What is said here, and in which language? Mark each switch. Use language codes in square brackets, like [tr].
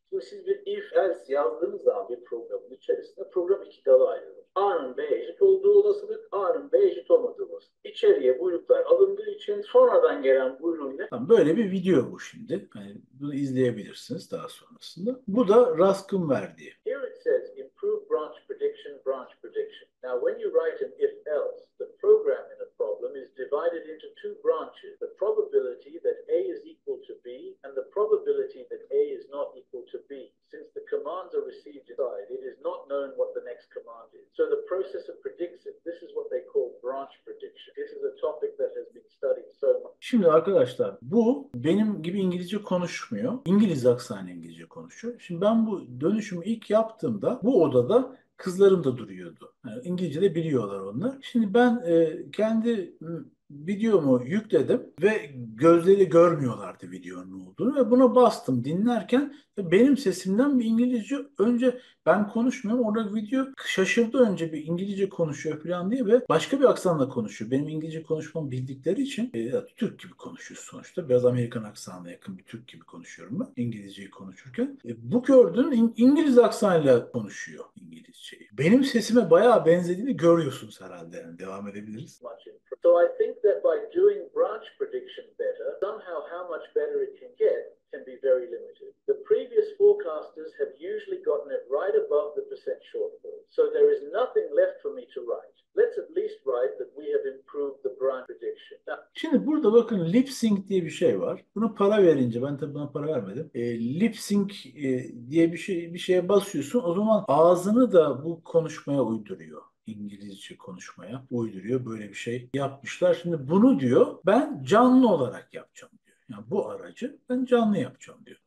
[tr] Şimdi siz bir if else yazdığınız zaman bir programın içerisinde program iki dala ayrılır. A'nın B'ye eşit olduğu olasılık, A'nın B'ye eşit olmadığı olasılık. İçeriye buyruklar alındığı için sonradan gelen buyruğun ile... Tamam, böyle bir video bu şimdi. Yani bunu izleyebilirsiniz daha sonrasında. Bu da Rask'ın verdiği. [en] Here it says improve branch prediction, branch prediction. Now when you write an if else, the program in a problem is divided into two branches. The probability that A is equal to B and the probability that A is not equal to B. Since the commands are received inside, it is not known what the next command is. So the process of predicts it. This is what they call branch prediction. This is a topic that has been studied so much. [tr] Şimdi arkadaşlar bu benim gibi İngilizce konuşmuyor. İngiliz aksanı İngilizce konuşuyor. Şimdi ben bu dönüşümü ilk yaptığımda bu odada kızlarım da duruyordu. Yani İngilizce de biliyorlar onlar. Şimdi ben kendi videomu yükledim ve gözleri görmüyorlardı videonun olduğunu ve buna bastım dinlerken benim sesimden bir İngilizce önce ben konuşmuyorum orada video şaşırdı önce bir İngilizce konuşuyor falan diye ve başka bir aksanla konuşuyor. Benim İngilizce konuşmamı bildikleri için Türk gibi konuşuyor sonuçta biraz Amerikan aksanına yakın bir Türk gibi konuşuyorum ben İngilizceyi konuşurken. Bu gördüğün İngiliz aksanıyla konuşuyor İngilizceyi. Benim sesime bayağı benzediğini görüyorsunuz herhalde yani devam edebiliriz. [en] So I think that by doing branch prediction better, somehow how much better it can get can be very limited. The previous forecasters have usually gotten it right above the percent shortfall. So there is nothing left for me to write. Let's at least write that we have improved the branch prediction. [tr] Now, şimdi burada bakın lip sync diye bir şey var. Bunu para verince ben tabii buna para vermedim. Lip sync diye bir şeye basıyorsun. O zaman ağzını da bu konuşmaya uyduruyor. İngilizce konuşmaya uyduruyor. Böyle bir şey yapmışlar. Şimdi bunu diyor ben canlı olarak yapacağım diyor. Yani bu aracı ben canlı yapacağım diyor.